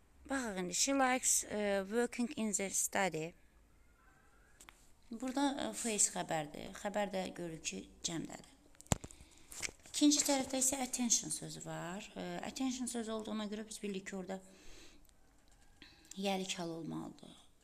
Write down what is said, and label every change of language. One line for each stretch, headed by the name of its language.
Azerbaijani: Baxaq indi,
English: she likes working in the study.
Azerbaijani: Burada face xəbərdir. Xəbər də görür ki, cəmdədir. İkinci tərəfdə isə attention sözü var. Attention sözü olduğuna görə biz bildik ki, orada yəlik hal olmalıdır.